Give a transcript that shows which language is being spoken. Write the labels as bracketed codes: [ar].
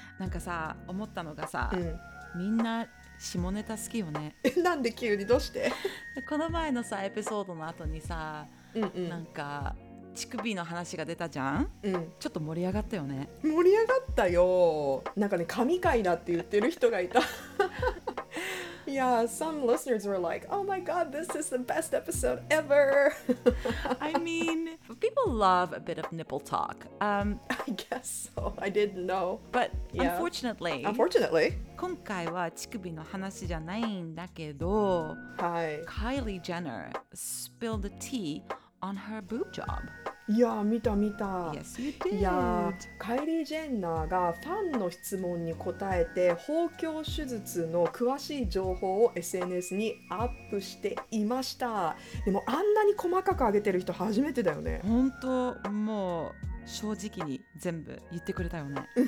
[ja] なんかさ思ったのがさ、みんな下ネタ好きよね。なんで急に、どうしてこの前のさエピソードの後にさ、なんか乳首の話が出たじゃん、ちょっと盛り上がったよね。盛り上がったよ。なんかね、神回だって言ってる人がいた。 [en] Yeah, some listeners were like, Oh my god, this is the best episode ever. I mean, people love a bit of nipple talk. I guess so. I didn't know. But yeah. Unfortunately, unfortunately, [ja] 今回は乳首の話じゃないんだけど、はい、 [en] Kylie Jenner spilled the tea on her boob job. [ja] いや見た見た。 [en] Yes, you did. い [ja] やカイリー・ジェンナーがファンの質問に答えて豊胸手術の詳しい情報を SNS にアップしていました。でもあんなに細かく上げてる人初めてだよね。本当もう正直に全部言ってくれたよね。